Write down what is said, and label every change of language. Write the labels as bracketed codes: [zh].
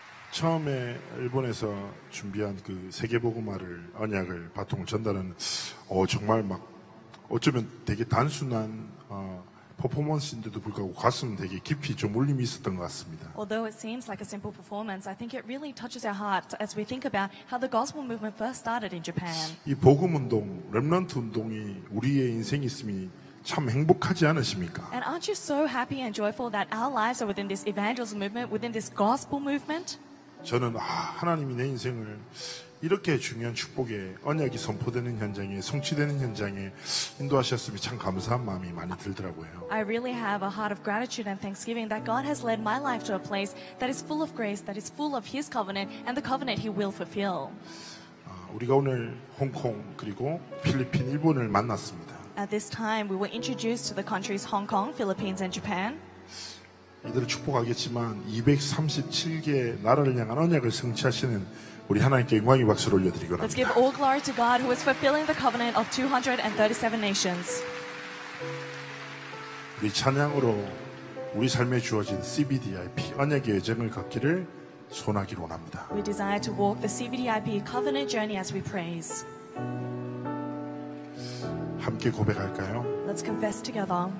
[ko] 처음에 일본에서 준비한 그 세계복음화를 언약을 바통을 전달하는 정말 막 어쩌면 되게 단순한 퍼포먼스인데도 불구하고 가슴 되게 깊이 좀 울림이 있었던 것 같습니다. [en] Although it seems like a simple performance, I think it really touches our hearts as we think about how the gospel movement first started in Japan. [ko] 이 복음 운동, 렘넌트 운동이 우리의 인생 있음이 참 행복하지 않으십니까? [en] And aren't you so happy and joyful that our lives are within this evangelism movement, within this gospel movement? [ko] 저는 하나님이 내 인생을 이렇게 중요한 축복에 언약이 선포되는 현장에 성취되는 현장에 인도하셨음이 참 감사한 마음이 많이 들더라고요. [en] I really have a heart of gratitude and thanksgiving that God has led my life to a place that is full of grace, that is full of His covenant and the covenant He will fulfill. [ko] 우리가 오늘 홍콩 그리고 필리핀, 일본을 만났습니다. [en] At this time, we were introduced to the countries Hong Kong, Philippines, and Japan. [ko] 이들을 축복하겠지만 237개 나라를 향한 언약을 성취하시는 우리 하나님께 영광의 박수를 올려드리고 합니다. [en] Let's give all glory to God who is fulfilling the covenant of 237 nations. [ko] 우리 찬양으로 우리 삶에 주어진 CBDIP 언약의 여정을 갖기를 소원하기로 원합니다. [en] We desire to walk the CBDIP covenant journey as we praise. [ko] 함께 고백할까요? [en] Let's confess together.